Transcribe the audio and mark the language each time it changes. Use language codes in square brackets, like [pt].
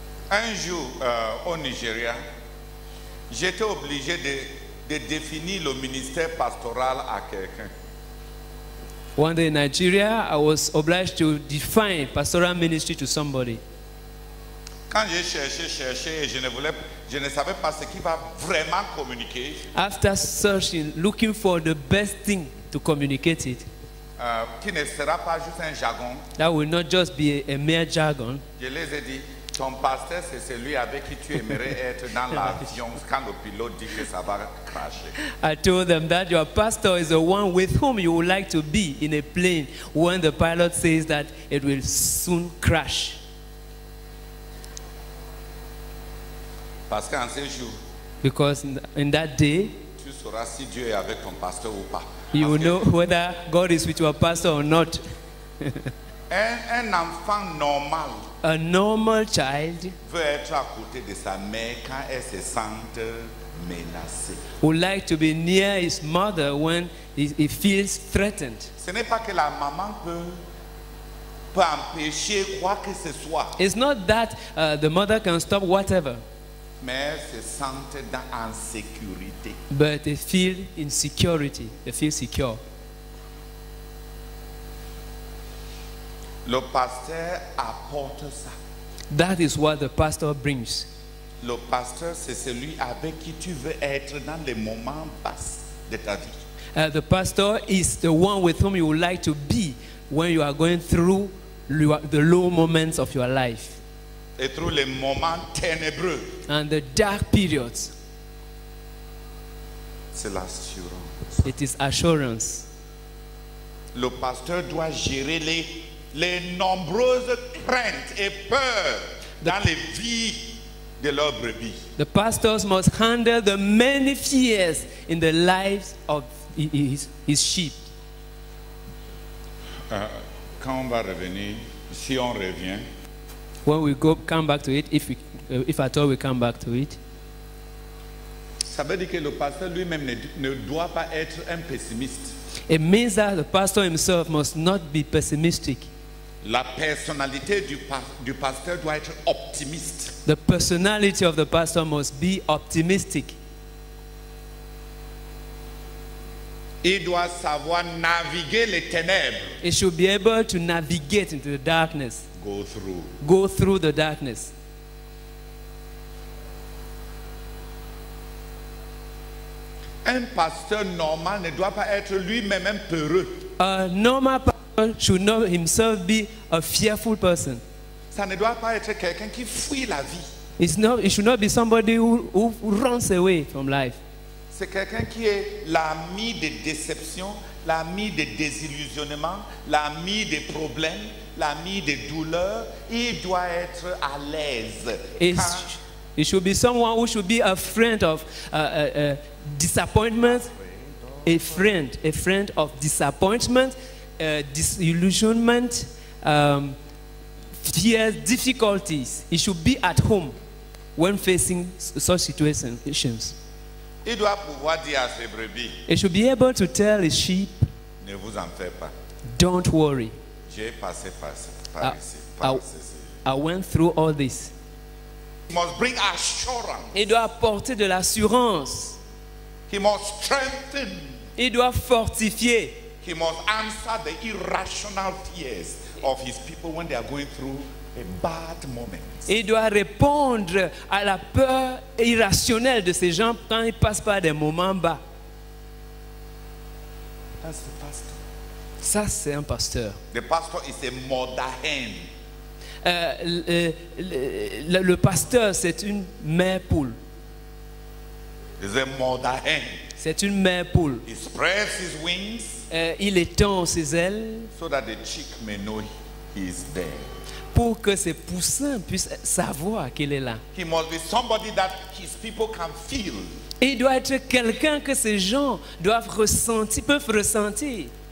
[fr] Un jour, au Nigeria, j'étais obligé de définir le ministère pastoral à quelqu'un. [en] One day in Nigeria, I was obliged to define pastoral ministry to somebody. [fr] Quand j'ai cherché, et je ne savais pas ce qui va vraiment communiquer. [en] After searching, looking for the best thing to communicate it. [fr] Qui ne sera pas juste un jargon. [en] That will not just be a mere jargon. [fr] Je les ai dit, ton pasteur, c'est celui avec qui tu aimerais être dans l'avion quand le pilote dit que ça va crasher. [en] I told them that your pastor is the one with whom you would like to be in a plane when the pilot says that it will soon crash. [fr] Parce qu'en ce jour, [en] because in that day, [fr] tu sauras si Dieu est avec ton pasteur ou pas. [en] You will know whether God is with your pastor or not. [fr] Un enfant normal, [en] a normal child, [fr] veut être à côté de sa mère quand elle se sent menacée. [en] Would like to be near his mother when he feels threatened. [fr] Ce n'est pas que la maman peut empêcher quoi que ce soit. [en] It's not that the mother can stop whatever. [fr] mais se sentent dans insécurité. [en] But they feel insecurity. They feel secure. [fr] Le pasteur apporte ça. [en] That is what the pastor brings. [fr] Le pasteur, c'est celui avec qui tu veux être dans les moments bas de ta vie. [en] The pastor is the one with whom you would like to be when you are going through the low moments of your life. [fr] Et [en] through [fr] les moments ténébreux. [en] And the dark periods. [fr] C'est l'assurance. [en] It is assurance. [fr] Le pasteur doit gérer les nombreuses craintes et peurs dans les vies de leurs brebis. [en] The pastors must handle the many fears in the lives of his sheep. [fr] Quand on va revenir, si on revient. [en] When we go come back to it, if at all we come back to it. [fr] Ça veut dire que le pasteur lui-même ne doit pas être un pessimiste. [en] It means that the pastor himself must not be pessimistic. [fr] La personnalité du pasteur doit être optimiste. [en] The personality of the pastor must be optimistic. [fr] Il doit savoir naviguer les ténèbres. [en] He should be able to navigate into the darkness. Go through the darkness. [fr] Un pasteur normal ne doit pas être lui-même un peureux. [en] A normal pastor should not himself be a fearful person. [fr] Ça ne doit pas être quelqu'un qui fuit la vie. [en] It should not be somebody who runs away from life. [fr] C'est quelqu'un qui est l'ami des déceptions, l'ami des désillusionnements, l'ami des problèmes, l'ami des douleurs. Il doit être à l'aise. [en] It should be someone who should be a friend of disappointment, a friend of disappointment, disillusionment, fears, difficulties. He should be at home when facing such situations. [fr] Il doit pouvoir dire à ses brebis. [en] He should be able to tell his sheep. [fr] Ne vous en faites pas. [en] Don't worry. [fr] J'ai passé par ici. [en] I went through all this. He must bring assurance. [fr] Il doit apporter de l'assurance. [en] He must strengthen. [fr] Il doit fortifier. [en] He must answer the irrational fears of his people when they are going through a bad moment. [fr] Il doit répondre à la peur irrationnelle de ces gens quand ils passent par des moments bas. [en] That's the pastor. [fr] Ça, c'est un pasteur. [en] The pastor is a mother hen. [fr] Le pasteur, c'est une mère poule. [en] He's a mother hen. [fr] C'est une mère poule. [en] He spreads his wings. [fr] Il étend ses ailes. [en] So that the chick may know he is there. [fr] Pour que ses poussins puissent savoir qu'il est là. [en] He must be somebody that his people can feel. [fr] Il doit être quelqu'un que ces gens doivent ressentir, peuvent ressentir.